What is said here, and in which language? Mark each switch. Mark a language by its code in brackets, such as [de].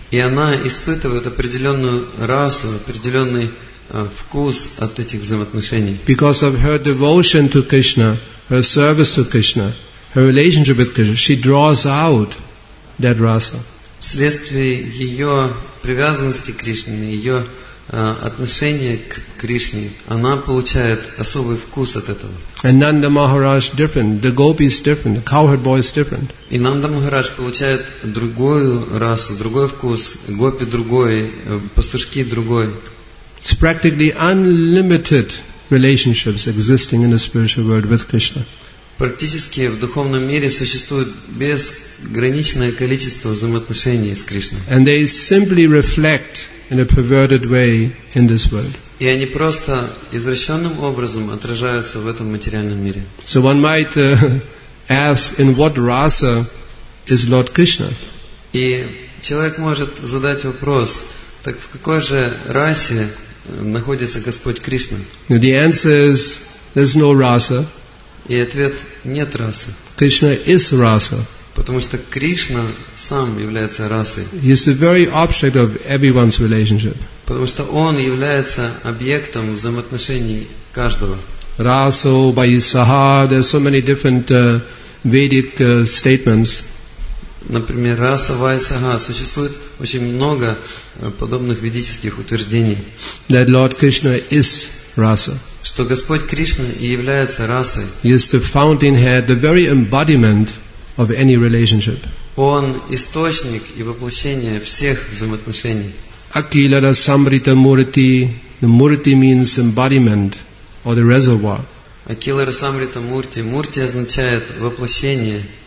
[ru] И она испытывает определённую расу, определённый вкус от этих взаимоотношений. [en] Because of her devotion to Krishna, her service to Krishna, her relationship with Krishna, she draws out that rasa. [ru] Вследствие её привязанности к Кришне, её отношение к Кришне, она получает особый вкус от этого. [en] And Nanda Maharaj different, the gopis different, the cowherd boys different. [ru] И Нанда Махарадж получает другую расу, другой вкус, гопи другой, пастушки другой. [en] It's practically unlimited relationships existing in the spiritual world with Krishna. [ru] Практически в духовном мире существует безграничное количество взаимоотношений с Кришной. [en] And they simply reflect in a perverted way in this world. [ru] И они просто извращенным образом отражаются в этом материальном мире. [en] So one might ask, in what rasa is Lord Krishna? [ru] И человек может задать вопрос, так в какой же расе находится Господь Кришна? [en] The answer is, there's no rasa. [ru] И ответ – нет расы. [en] Krishna is rasa. [ru] Потому что Кришна сам является расой. [en] He is the very object of everyone's relationship. [ru] Потому что Он является объектом взаимоотношений каждого. [en] Raso, Bhaisaha, there are so many different Vedic statements. [ru] Например, раса, Вайсаха. Существует очень много подобных ведических утверждений. [en] That Lord Krishna is rasa. [ru] Что Господь Кришна и является расой. [en] He is the fountainhead, the very embodiment of any relationship. [ru] Он источник и воплощение всех взаимоотношений. [sa] Akilara Samrita Murti. [en] The Murti means embodiment or the reservoir. [sa] Akilara Samrita Murti. Murti [ru] означает воплощение.